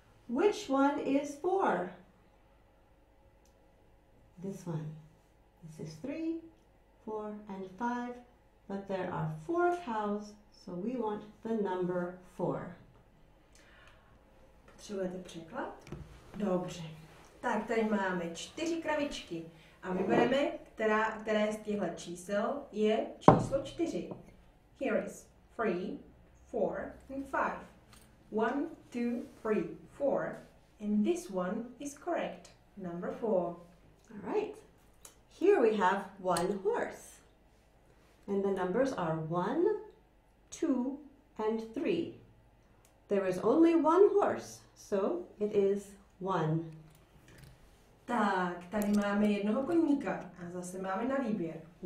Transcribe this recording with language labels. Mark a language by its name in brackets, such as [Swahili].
[English] Which one is 4? This one. This is 3, 4, and 5. But there are 4 cows, so we want the number 4. [Czech] Potřebujete překlad? Dobře. Tak tady máme 4 kravičky a vybereme, které z těchto čísel je číslo 4. [English] Here is 3, 4, and 5. 1, 2, 3, 4. And this one is correct. Number 4. All right. Here we have 1 horse. And the numbers are 1, 2, and 3. There is only 1 horse, so it is 1. [Czech] Tak, tady máme jednoho koníka a zase máme na výběr.